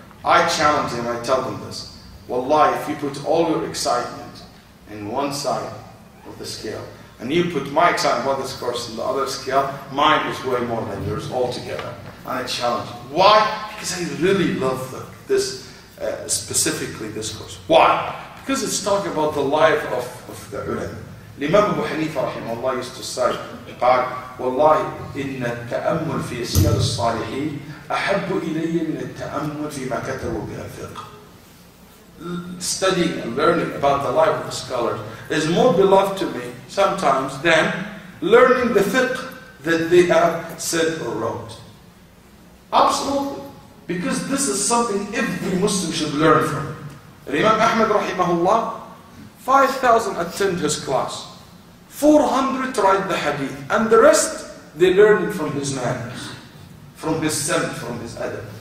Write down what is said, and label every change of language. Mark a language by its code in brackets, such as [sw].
[en] I challenge them, I tell them this. Wallahi, if you put all your excitement in one side of the scale, and you put my excitement about this course in the other scale, mine is way more than yours altogether. And I challenge you. Why? Because I really love specifically this course. Why? Because it's talking about the life of the ulama. Imam Abu Hanifa rahimahullah used to say, [ar] قال والله إن التأمل في سير الصالحين أحب إلي من التأمل فيما كتبوا به الفقه. [en] Studying and learning about the life of the scholars is more beloved to me sometimes than learning the fiqh that they have said or wrote. Absolutely. Because this is something every Muslim should learn from. Imam Ahmad rahimahullah, 5,000 attend his class, 400 write the hadith, and the rest they learn from his manners, from his sam, from his adab.